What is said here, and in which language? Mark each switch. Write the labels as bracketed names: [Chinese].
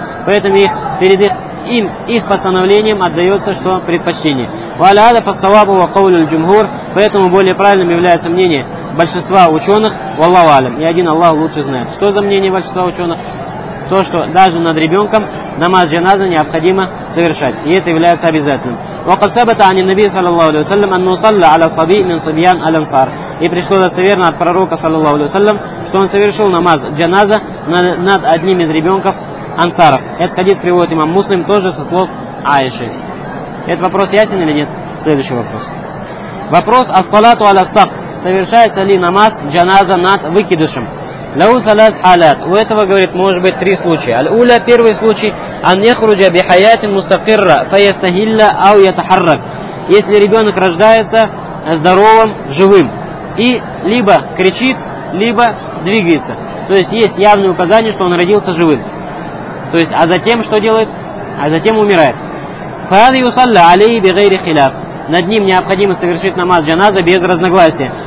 [Russian] Поэтому их постановлением отдается, что предпочтение. [Arabic] Валяда фасаваб ва каулю аль-джумхур. [Russian] Поэтому более правильным является мнение большинства ученых, [Arabic] валлаху алям. [Russian] И один Аллах лучше знает. Что за мнение большинства ученых? То, что даже над ребенком намаз джаназа необходимо совершать. И это является обязательным. [Arabic] وقد ثبت عن النبي صلى الله عليه وسلم أنه صلى على صبي من صبيان الأنصار. [Russian] И пришло достоверно от пророка [Arabic] صلى الله عليه وسلم, [Russian] что он совершил намаз джаназа над одним из ребенков ансаров. Этот хадис приводит имам Муслим тоже со слов Аиши. Этот вопрос ясен или нет? Следующий вопрос. Вопрос о [Arabic] салату аля сакт. [Russian] Совершается ли намаз джаназа над выкидышем? [Arabic] Лау салат халат. [Russian] У этого, говорит, может быть три случая. [Arabic] Аль-уля, [Russian] первый случай. [Arabic] Ан яхруджа би хаятин мустакирра фаястахилля ау ятахаррак. [Russian] Если ребенок рождается здоровым, живым. И либо кричит, либо двигается. То есть есть явные указания, что он родился живым. То есть, а затем что делает? А затем умирает. [Arabic] فهذا يصلى عليه بغير خلاف. [Russian] Над ним необходимо совершить намаз джаназа без разногласия.